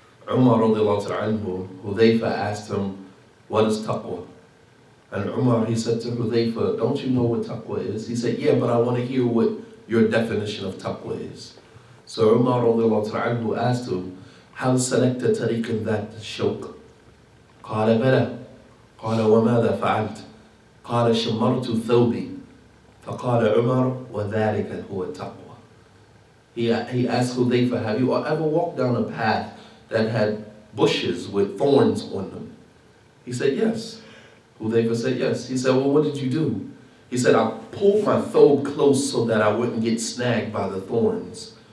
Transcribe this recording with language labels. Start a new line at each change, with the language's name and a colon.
English: Umar radiallahu ta'ala anhu, Hudhayfa asked him, what is taqwa? And Umar, he said to Hudhayfa, don't you know what taqwa is? He said, yeah, but I want to hear what your definition of taqwa is. So Umar radiallahu ta'ala anhu asked him,
Arabic: هل سلكت طريقا ذات شوك؟ قال بلى. قال وماذا فعلت؟ قال شمرت ثوبي. فقال عمر وذلك هو التقوى.
English: He asked Hudhayfa, have you ever walked down a path that had bushes with thorns on them? He said, yes. Hudhayfa said, yes. He said, well, what did you do? He said, I pulled my thobe close so that I wouldn't get snagged by the thorns.